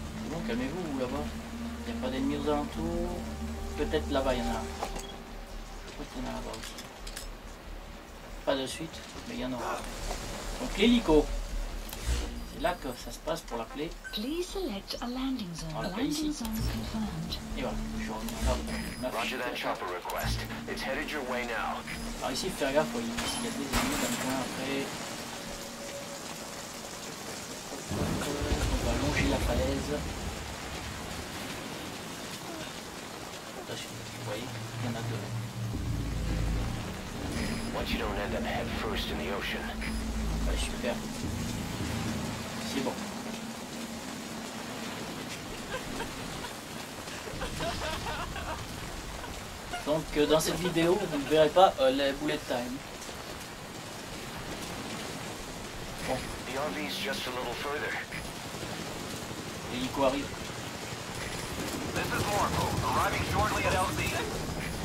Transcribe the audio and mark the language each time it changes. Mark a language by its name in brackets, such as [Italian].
[French] Bon, calmez-vous là-bas. Il n'y a pas d'ennemis aux alentours. Peut-être là-bas, il y en a. Pas de suite, mais il y en aura. Donc l'hélico. C'est là que ça se passe pour l'appeler. [English] Please select a landing zone. [French] On l'appelle ici. Et voilà, je reviens là. [English] Roger that chopper request. It's headed your way now. [French] Alors ici, faire gaffe, il y a des ennemis dans le coin après. On va longer la falaise. Attention, vous voyez, il y en a deux. [English] You don't end up head first in the ocean. [French] Ah, super. C'est bon. Donc, dans cette vidéo, vous ne verrez pas les bullet time. Bon. [English] The RV is just a little further. [French] L'hélico arrive. [English] This is Morpho, arriving shortly at LZ.